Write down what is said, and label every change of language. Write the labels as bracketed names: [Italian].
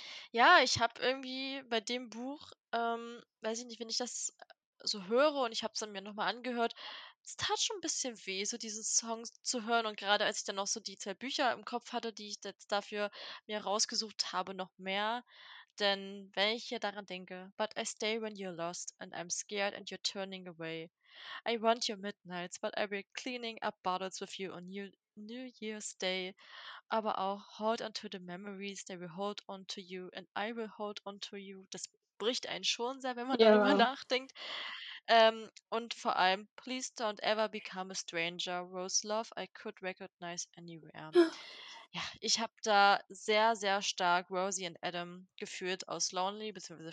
[German] Ja, ich habe irgendwie bei dem Buch, weiß ich nicht, wenn ich das so höre und ich habe es mir nochmal angehört, es tat schon ein bisschen weh, so diesen Song zu hören. Und gerade als ich dann noch so die zwei Bücher im Kopf hatte, die ich jetzt dafür mir rausgesucht habe, noch mehr. Denn wenn ich hier daran denke, [English] but I stay when you're lost and I'm scared and you're turning away. I want your midnights, but I'll be cleaning up bottles with you on New Year's Day. [German] Aber auch [English] hold on to the memories that will hold on to you and I will hold on to you. [German] Das bricht einen schon sehr, wenn man darüber nachdenkt. Und vor allem, [English] please don't ever become a stranger, Rose Love, I could recognize anywhere. [German] Ja, ich habe da sehr, sehr stark Rosie and Adam gefühlt aus Lonely bzw.